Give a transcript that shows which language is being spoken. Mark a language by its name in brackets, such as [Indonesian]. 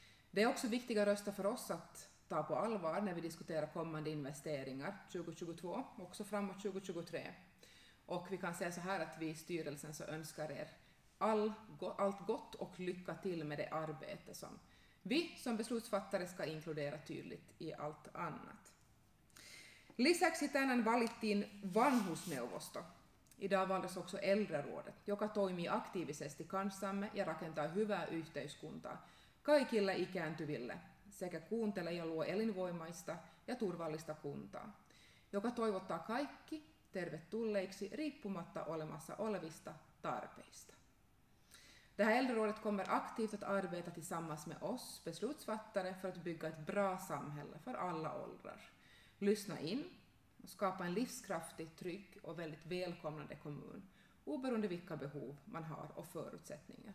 [Swedish] Det är också viktiga röster för oss att ta på allvar när vi diskuterar kommande investeringar 2022, också framåt 2023. Och vi kan säga så här att vi i styrelsen så önskar er allt gott och lycka till med det arbete som vi som beslutsfattare ska inkludera tydligt i allt annat. [Finnish] Lisäksi tänään valittiin vanhusneuvosto. [Swedish] Idag valdes också äldrerådet, [Finnish] joka toimii aktiivisesti kanssamme ja rakentaa hyvää yhteiskuntaa kaikille ikääntyville sekä kuuntele ja luo elinvoimaista ja turvallista kuntaa, joka toivottaa kaikki tervetulleiksi riippumatta olemassa olevista tarpeista. [Swedish] Det här äldrerådet kommer aktivt att arbeta tillsammans med oss beslutsfattare för att bygga ett bra samhälle för alla åldrar. Lyssna in och skapa en livskraftig, trygg och väldigt välkomnande kommun oberoende vilka behov man har och förutsättningar.